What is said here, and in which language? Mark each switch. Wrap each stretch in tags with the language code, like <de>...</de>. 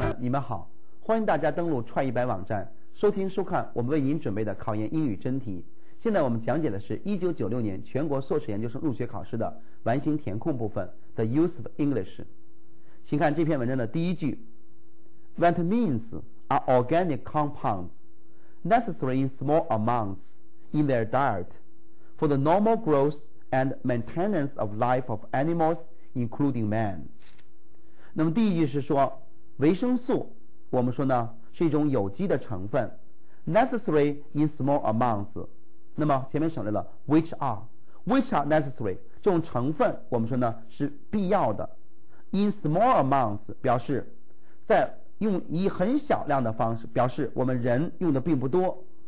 <zh>家好，欢迎大家登录创意百网站收听收看我们为您准备的考研英语真题。现在我们讲解的是1996年全国硕士研究生入学考试的完形填空部分 The Use of English。请看这篇文章的第一句，</zh> <en>Vitamins are organic compounds necessary in small amounts in their diet for the normal growth and maintenance of life of animals including man。</en> <zh>那么第一句是说，维生素我们说呢是一种有机的成分，</zh> <en>necessary in small amounts，</en> <zh>那么前面省略了</zh> <en>which are necessary，</en> <zh>这种成分我们说呢是必要的。</zh> <en>in small amounts</en> <zh>表示在用以很小量的方式，表示我们人用的并不多。</zh>